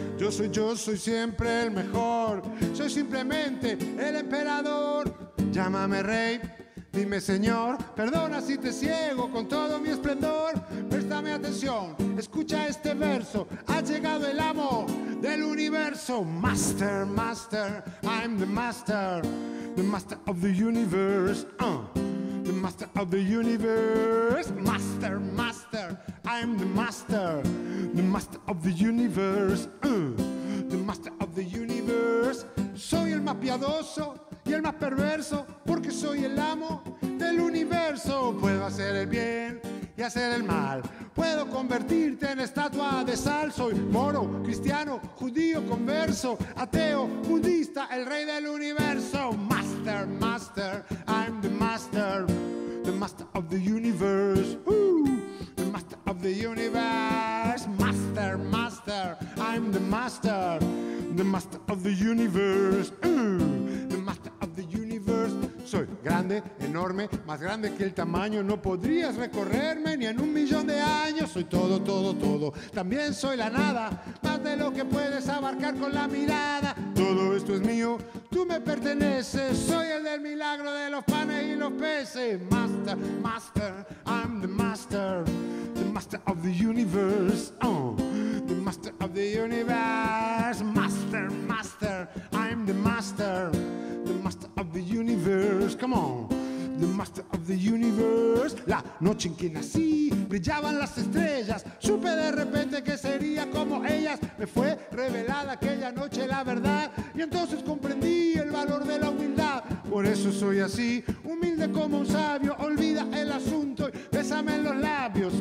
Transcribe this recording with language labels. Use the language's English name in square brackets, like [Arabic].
[Spanish] Yo soy siempre el mejor, soy simplemente el emperador. Llámame rey, dime señor, perdona si te ciego con todo mi esplendor. Préstame atención, escucha este verso, ha llegado el amo del universo. [English] Master, master, I'm the master. The master of the universe, the master of the universe. Master, master, I'm the master of the universe, the master of the universe. [Spanish] Soy el más piadoso y el más perverso, porque soy el amo del universo. Puedo hacer el bien y hacer el mal, puedo convertirte en estatua de sal. Soy moro, cristiano, judío, converso, ateo, budista, el rey del universo. [English] Master, master, I'm the master of the universe. The master of the universe. Master, master, I'm the master of the universe. The master of the universe. [Spanish] Soy grande, enorme, enorme, más grande que el tamaño. No podrías recorrerme ni en un millón de años. Soy todo, todo, todo. También soy la nada, más de lo que puedes abarcar con la mirada. Todo esto es mío, tú me perteneces. Soy el del milagro de los panes y los peces. [English] Master, master, I'm the master of the universe. Oh, the master of the universe. Master, master, I'm the master of the universe. Come on. The master of the universe. [Spanish] La noche en que nací, brillaban las estrellas. Supe de repente que sería como ellas. Me fue revelada aquella noche la verdad. Y entonces comprendí el valor de la humildad. Por eso soy así, humilde como un sabio. Olvida el asunto y bésame en los labios.